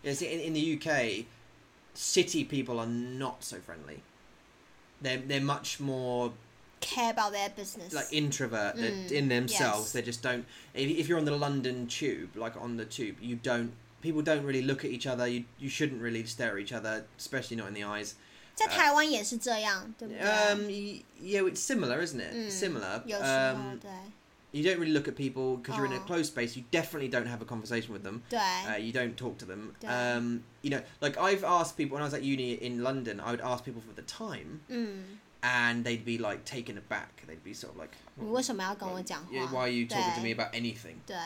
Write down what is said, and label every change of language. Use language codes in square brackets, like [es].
[en] Yeah, see, in the UK, city people are not so friendly. They're much more... care about their business, like introvert in themselves. They just don't, if you're on the London tube, like on the tube, you don't, people don't really look at each other. You shouldn't really stare at each other, especially not in the eyes. [zh] 在台湾也是这样，对不对？ [en] Yeah, it's similar, isn't it? Similar. [zh] 有时候，对。 [en] You don't really look at people because you're in a closed space. You definitely don't have a conversation with them. You don't talk to them. You know, like I've asked people when I was at uni in London, I would ask people for the time and they'd be like taken aback. They'd be sort of like, why are you talking to me about anything?